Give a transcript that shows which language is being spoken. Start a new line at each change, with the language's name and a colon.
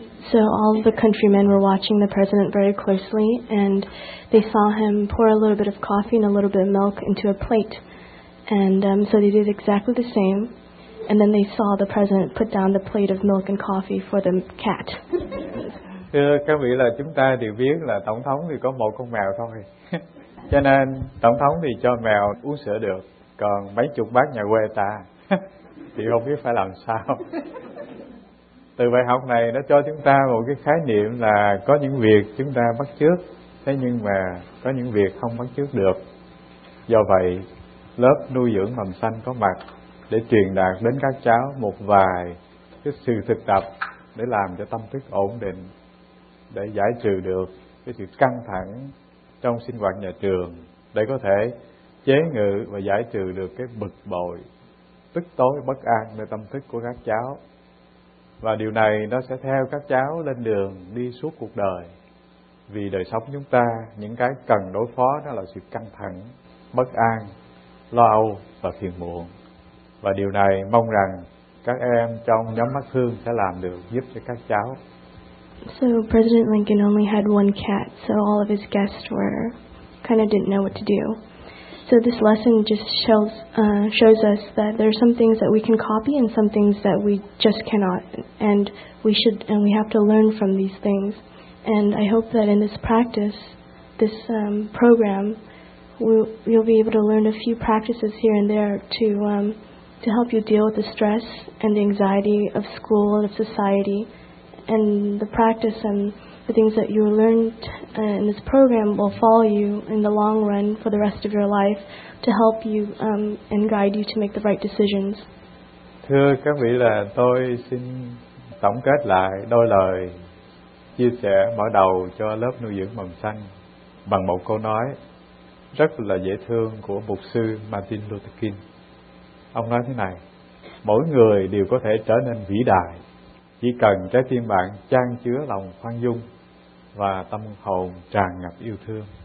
English: So all the countrymen were watching the president very closely, and they saw him pour a little bit of coffee and a little bit of milk into a plate. And so they did exactly the same, and then they saw the president put down the plate of milk and coffee for the cat.
Vietnamese: Thưa các vị là chúng ta đều biết là tổng thống thì có một con mèo thôi, cho nên tổng thống thì cho mèo uống sữa được, còn mấy chục bác nhà quê ta thì không biết phải làm sao. Từ bài học này nó cho chúng ta một cái khái niệm là có những việc chúng ta bắt chước, thế nhưng mà có những việc không bắt chước được. Do vậy, lớp nuôi dưỡng mầm xanh có mặt để truyền đạt đến các cháu một vài cái sự thực tập để làm cho tâm thức ổn định, để giải trừ được cái sự căng thẳng trong sinh hoạt nhà trường, để có thể chế ngự và giải trừ được cái bực bội, tức tối, bất an nơi tâm thức của các cháu. Và điều này nó sẽ theo các cháu lên đường đi suốt cuộc đời. Vì đời sống chúng ta, những cái cần đối phó đó là sự căng thẳng, bất an, lo âu và phiền muộn. Và điều này mong rằng các em trong nhóm mắt thương sẽ làm được, giúp cho các cháu.
English: So President Lincoln only had one cat, so all of his guests were kind of didn't know what to do. So this lesson just shows us that there are some things that we can copy and some things that we just cannot, and we have to learn from these things. And I hope that in this practice, this program, we'll be able to learn a few practices here and there to help you deal with the stress and the anxiety of school and of society. And the practice and the things that you learned in this program will follow you in the long run for the rest of your life to help you and guide you to make the right decisions.
Vietnamese: Thưa các vị là tôi xin tổng kết lại đôi lời chia sẻ mở đầu cho lớp nuôi dưỡng mầm xanh bằng một câu nói rất là dễ thương của mục sư Martin Luther King. Ông nói thế này: mỗi người đều có thể trở nên vĩ đại, chỉ cần trái tim bạn chan chứa lòng khoan dung và tâm hồn tràn ngập yêu thương.